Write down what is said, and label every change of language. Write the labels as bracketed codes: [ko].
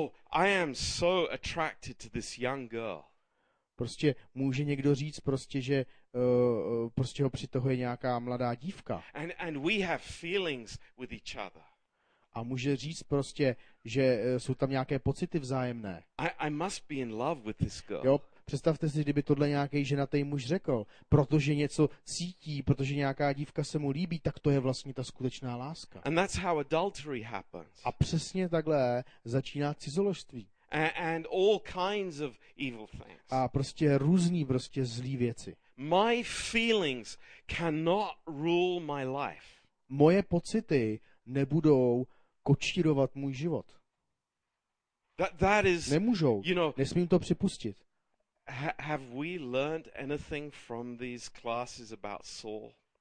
[en] I am so attracted to this young girl. [cs] Prostě může někdo říct prostě, že prostě ho přitahuje nějaká mladá dívka. [en] And we have feelings with each other. [cs] A může říct prostě, že jsou tam nějaké pocity vzájemné. [en] I must be in love with this girl. [cs] Jo, představte si, kdyby tohle nějaký ženatý muž řekl, protože něco cítí, protože nějaká dívka se mu líbí, tak to je vlastně ta skutečná láska. [en] And that's how adultery happens. [cs] A přesně takhle začíná cizoložství. [en] And all kinds of evil things. [cs] A prostě různý prostě zlý věci. [en] My feelings cannot rule my life. [cs] Moje pocity nebudou kočírovat můj život. [en] That is, [cs] nemůžou, [en] you know, [cs] nesmím to připustit. [en] Have we learned anything from these classes about Saul?